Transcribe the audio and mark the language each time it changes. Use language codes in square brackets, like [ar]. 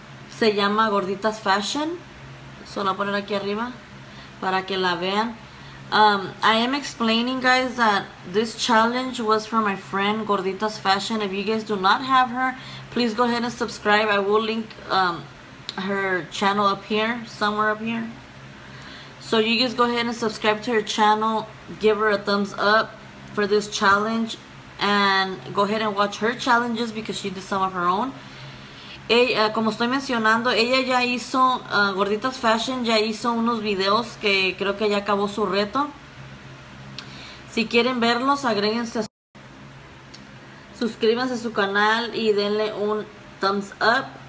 [es] Se llama Gorditas Fashion. So, la voy a poner aquí arriba para que la vean. [en] I am explaining, guys, that this challenge was from my friend Gorditas Fashion. If you guys do not have her, please go ahead and subscribe. I will link her channel up here, somewhere up here. So you guys go ahead and subscribe to her channel, give her a thumbs up for this challenge, and go ahead and watch her challenges because she did some of her own. [es] Como estoy mencionando, ella ya hizo, Gorditas Fashion ya hizo unos videos que creo que ya acabó su reto. Si quieren verlos, agréguense, suscríbanse a su canal y denle un [en] thumbs up.